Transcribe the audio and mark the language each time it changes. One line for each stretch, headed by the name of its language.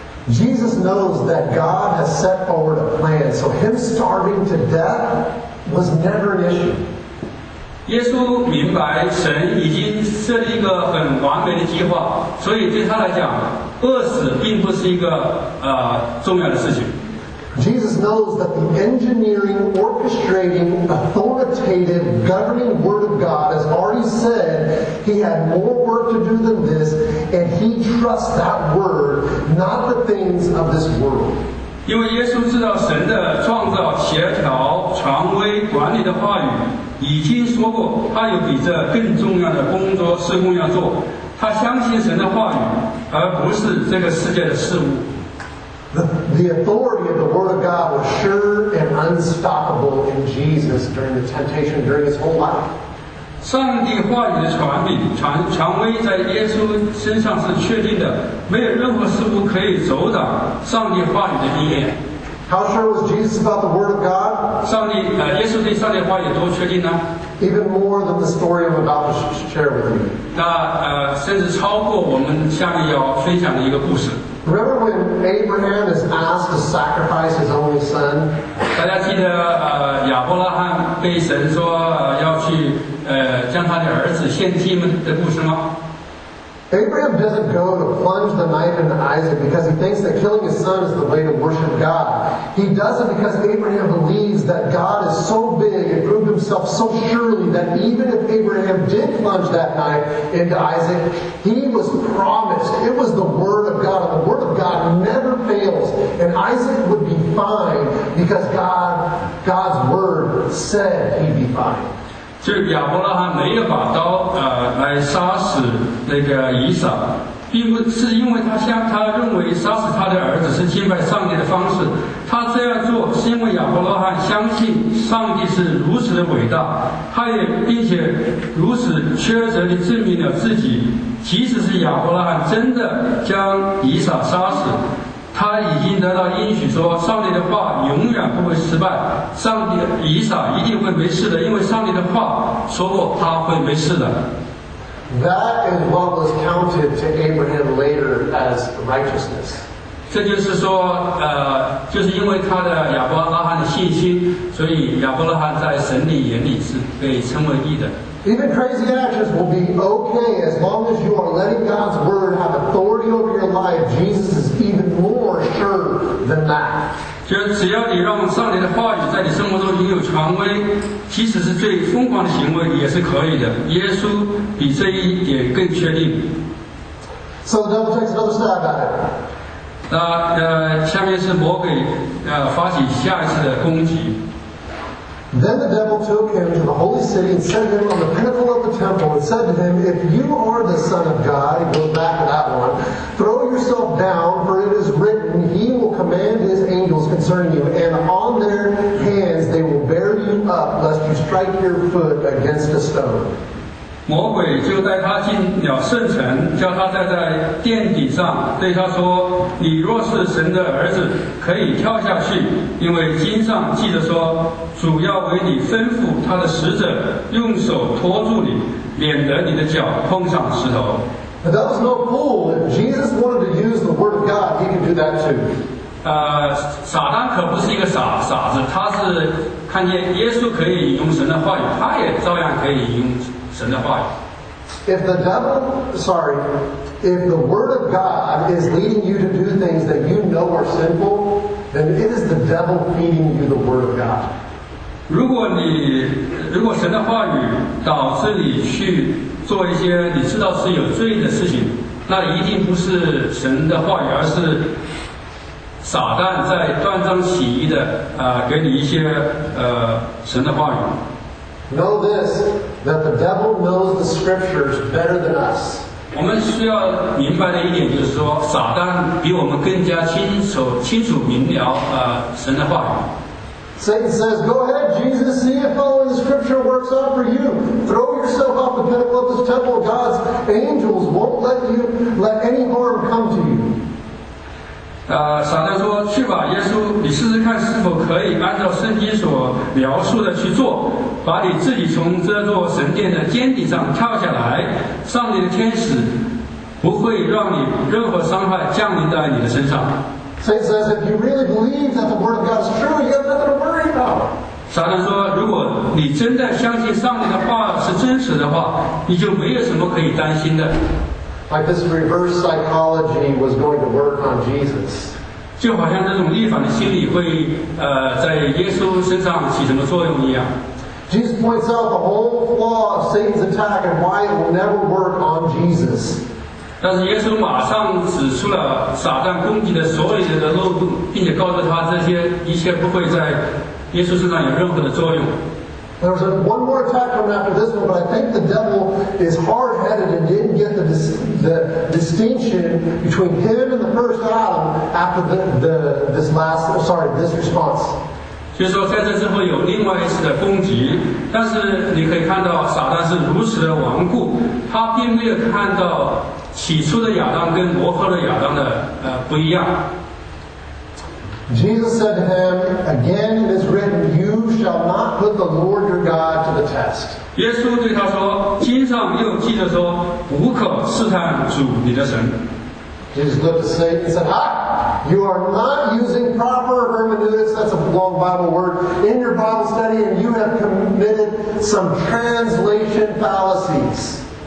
English: Jesus knows that God has set forward a plan, so him starving to death was never an issue.
Chinese: 耶稣明白神已经设立一个很完美的计划，所以对他来讲，饿死并不是一个重要的事情。
English: Jesus knows that the engineering, orchestrating, authoritative, governing word of God has already said he had more work to do than this, and he trusts that word, not the things of this world.
Chinese: 因为耶稣知道神的创造、协调、权威、管理的话语已经说过，他有比这更重要的工作、事工要做，他相信神的话语，而不是这个世界的事物。
English: The authority of the Word of God was sure and unstoppable in Jesus during the temptation during his whole life.
Chinese: 上帝话语的权柄、权威在耶稣身上是确定的，没有任何事物可以阻挡上帝话语的应验。
English: How sure was Jesus about the Word of God?
Chinese: 上帝耶稣对上帝话语多确定呢？
English: Even more than the story I'm about to share with you.
Chinese: 那甚至超过我们下面要分享的一个故事。
English: Remember when Abraham is asked to sacrifice his only son?
Chinese: 大家记得亚伯拉罕被神说要去将他的儿子献祭的故事吗？
English: Abraham doesn't go to plunge the knife into Isaac because he thinks that killing his son is the way to worship God. He does it because Abraham believes that God is so big and proved himself so surely that even if Abraham did plunge that knife into Isaac, he was promised. It was the word of God, and the word of God never fails. And Isaac would be fine because God's word said he'd be fine.
Chinese: 就亚伯拉罕没有把刀来杀死那个以撒，并不是因为他认为杀死他的儿子是敬拜上帝的方式，他这样做是因为亚伯拉罕相信上帝是如此的伟大，他也并且如此确凿地证明了自己，即使是亚伯拉罕真的将以撒杀死，他已经得到应许说上帝的话永远不会失败，上帝以撒一定会没事的，因为上帝的话说过他会没事的。
English: That is what was counted to Abraham later as righteousness.
Chinese: 这就是说就是因为他的亚伯拉罕的信心，所以亚伯拉罕在神的眼里是被称为义的。
English: Even crazy actions will be okay as long as you are letting God's word have authority over your life. Jesus is even more sure than that.
Chinese: 就只要你让上帝的话语在你生活中拥有权威，即使是最疯狂的行为也是可以的。耶稣比这一点更确定。
English: So the devil takes another stab at it.
Chinese: 那下面是魔鬼发起下一次的攻击。
English: Then the devil took him to the holy city and set him on the pinnacle of the temple and said to him, If you are the Son of God, go back to that one, throw yourself down, for it is written, He will command His angels concerning you, and on their hands they will bear you up, lest you strike your foot against a stone.
Chinese: 魔鬼就带他进了圣城，叫他站在殿顶上，对他说，你若是神的儿子，可以跳下去，因为经上记着说，主要为你吩咐他的使者用手托住你，免得你的脚碰上石头。
English: But that was no fool. If Jesus wanted to use the word of God, he could do that too.
Chinese: 撒旦可不是一个傻子，他是看见耶稣可以引用神的话语，他也照样可以引用神的话语。
English: If the word of God is leading you to do things that you know are sinful, then it is the devil feeding you the word of God.
Chinese: 如果神的话语导致你去做一些你知道是有罪的事情，那一定不是神的话语，而是撒旦在断章取义的给你一些神的话语。
English: Know this, that the devil knows the scriptures better than us.
Chinese: 我们需要明白的一点就是说，撒旦比我们更加清楚明了神的话语。
English: Satan says, go ahead, Jesus, see if following the scripture works out for you. Throw yourself off the pinnacle of this temple. God's angels won't let any harm come to you.
Chinese: 撒旦说去吧耶稣，你试试看是否可以按照圣经所描述的去做，把你自己从这座神殿的尖顶上跳下来，上帝的天使不会让你任何伤害降临在你的身上。
English: Satan says if you really believe that the word of God is true, you have nothing to worry about.
Chinese: 撒旦说如果你真的相信上帝的话是真实的话，你就没有什么可以担心的。
English: Like this reverse psychology was going to work on Jesus.
Chinese: 就好像这种逆反的心理会在耶稣身上起什么作用一样。
English: Jesus points out the whole flaw of Satan's attack and why it will never work on Jesus.
Chinese: 但是耶稣马上指出了撒旦攻击的所有的漏洞，并且告诉他这些一切不会在耶稣身上有任何的作用。
English: There was one more attack coming after this one, but I think the devil is hard-headed and didn't get the distinction between him and the first Adam after this response.
Chinese: 就是说在这之后有另外一次的攻击，但是你可以看到撒旦是如此的顽固，他并没有看到起初的亚当跟摩诃的亚当的不一样。
English: Jesus said to him, again it is written, you shall not put the Lord your God to the test.
Chinese: 耶稣对他说，经上又记着说，不可试探主你的神。
English: Jesus looked at Satan and said, you are not using proper hermeneutics, that's a long Bible word, in your Bible study, and you have committed some translation fallacies.